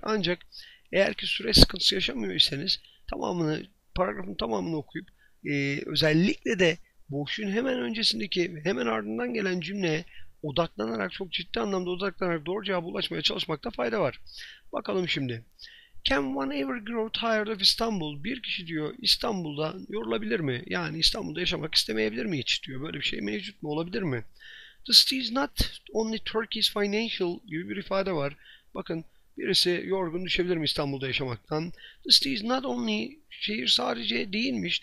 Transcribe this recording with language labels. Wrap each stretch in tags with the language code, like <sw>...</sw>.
<tr>Ancak eğer ki süre sıkıntısı yaşamıyorsanız tamamını, paragrafın tamamını okuyup özellikle de boşluğun hemen öncesindeki, hemen ardından gelen cümleye odaklanarak, çok ciddi anlamda odaklanarak doğru cevaba ulaşmaya çalışmakta fayda var. Bakalım şimdi.</tr> <en>Can one ever grow tired of Istanbul?</en> <tr>Bir kişi diyor İstanbul'da yorulabilir mi? Yani İstanbul'da yaşamak istemeyebilir mi hiç diyor. Böyle bir şey mevcut mu, olabilir mi?</tr> <en>The city is not only Turkey's financial</en> <tr>gibi bir ifade var. Bakın birisi yorgun düşebilir mi İstanbul'da yaşamaktan?</tr> <en>The city is not only</en> <tr>şehir sadece değilmiş.</tr>